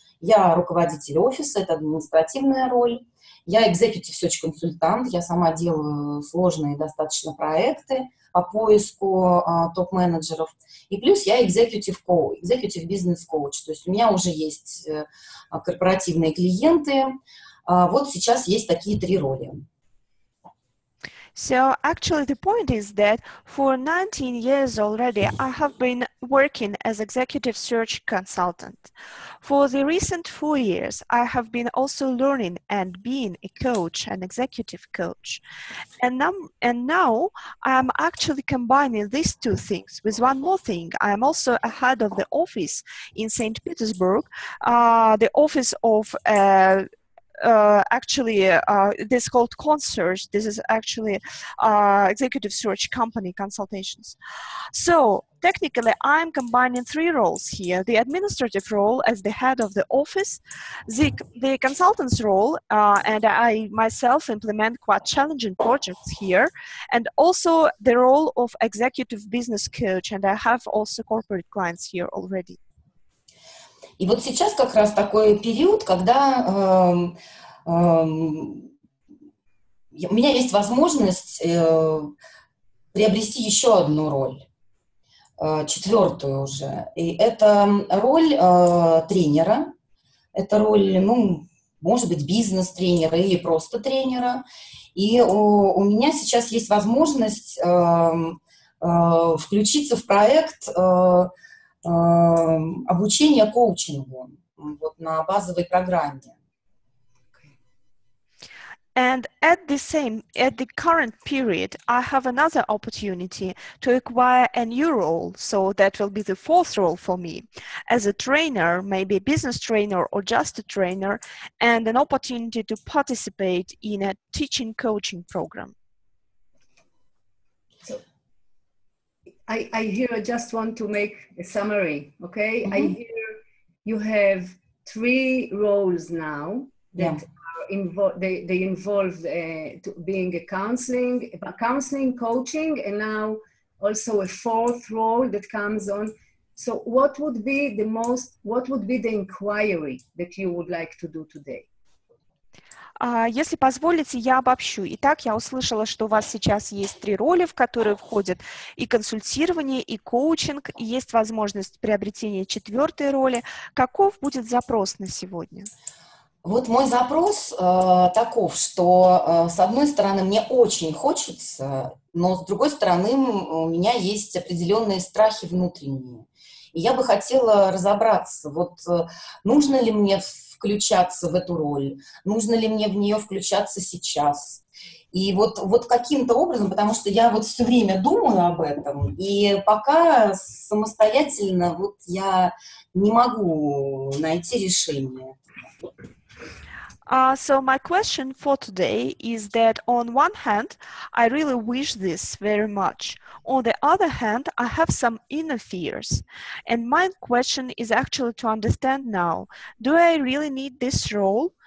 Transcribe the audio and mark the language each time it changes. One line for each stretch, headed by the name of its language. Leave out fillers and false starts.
Russian: Я руководитель офиса, это административная роль. Я executive search консультант, я сама делаю сложные достаточно проекты по поиску топ-менеджеров. И плюс я
English: executive coach, executive business coach.
Russian: То есть у меня уже есть корпоративные клиенты. Вот сейчас есть такие 3 роли.
English: So actually the point is that for 19 years already I have been working as executive search consultant. For the recent 4 years I have been also learning and being a coach, an executive coach. And now I am actually combining these 2 things with one more thing. I am also a head of the office in St. Petersburg, the office of this is called Concierge. This is actually executive search company consultations. So technically, I'm combining 3 roles here: the administrative role as the head of the office, the consultant's role, and I myself implement quite challenging projects here, and also the role of executive business coach. And I have also corporate clients here already.
Russian: И вот сейчас как раз такой период, когда у меня есть возможность приобрести еще одну роль, 4-ю уже. И это роль тренера, это роль, ну, может быть, бизнес-тренера или просто тренера. И у меня сейчас есть возможность включиться в проект обучение коучингу вот на базовой программе.
English: And at the same, at the current period, I have another opportunity to acquire a new role. So that will be the 4th role for me as a trainer, maybe a business trainer or just a trainer, and an opportunity to participate in a teaching coaching program. I hear, I just want to make a summary, okay? Mm-hmm. I hear you have 3 roles now that involve to being a counseling, coaching, and now also a 4th role that comes on. So what would be the inquiry that you would like to do today?
Russian: Если позволите, я обобщу. Итак, я услышала, что у вас сейчас есть 3 роли, в которые входят и консультирование, и коучинг, и есть возможность приобретения 4-й роли. Каков будет запрос на сегодня? Вот мой запрос таков, что с одной стороны мне очень хочется, но с другой стороны у меня есть определенные страхи внутренние. И я бы хотела разобраться, вот нужно ли мне включаться в эту роль, нужно ли мне в нее включаться сейчас. И вот каким-то образом, потому что я вот все время думаю об этом, и пока самостоятельно вот я не могу найти решение.
English: So my question for today is that on one hand, I really wish this very much. On the other hand, I have some inner fears. And my question is actually to understand now, do I really need this role?